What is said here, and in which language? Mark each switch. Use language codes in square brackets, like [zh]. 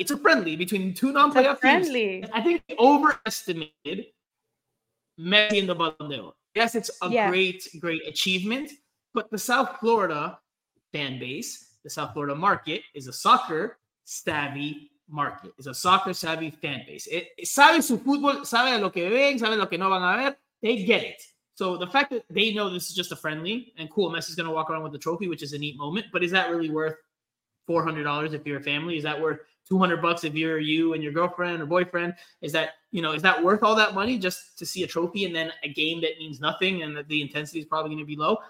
[en] It's a friendly between two non-playoff friendly. Teams. I think they overestimated Messi in the Ballon d'Or. Yes, it's a great achievement. But the South Florida fan base, the South Florida market, is a soccer-savvy market. It's a soccer-savvy fan base. [es] Sabe su fútbol, sabe lo que ven, sabe lo que no van a ver. [en] They get it. So the fact that they know this is just a friendly, and cool, Messi's going to walk around with the trophy, which is a neat moment, but is that really worth $400 if you're a family? Is that worth $200 if you're you and your girlfriend or boyfriend? Is that, you know, is that worth all that money just to see a trophy and then a game that means nothing and that the intensity is probably going to be low?